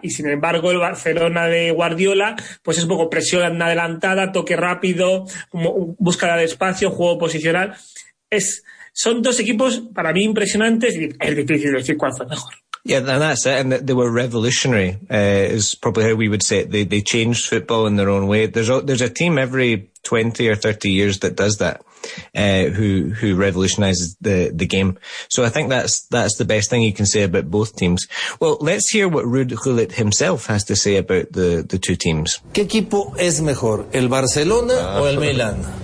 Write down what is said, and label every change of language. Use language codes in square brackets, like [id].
[es] Y sin embargo, el Barcelona de Guardiola, pues es un poco presión adelantada, toque rápido, búsqueda de espacio, juego posicional. Son dos equipos para mí impresionantes, y es difícil decir cuál fue mejor. [en] Yeah, and that's it. And they were revolutionary, is probably how we would say it. They changed football in their own way. There's a team every 20 or 30 years that does that, who revolutionizes the game. So I think that's the best thing you can say about both teams. Well, let's hear what Ruud Gullit himself has to say about the two teams. [es] ¿Qué equipo es mejor, el Barcelona o el Milan?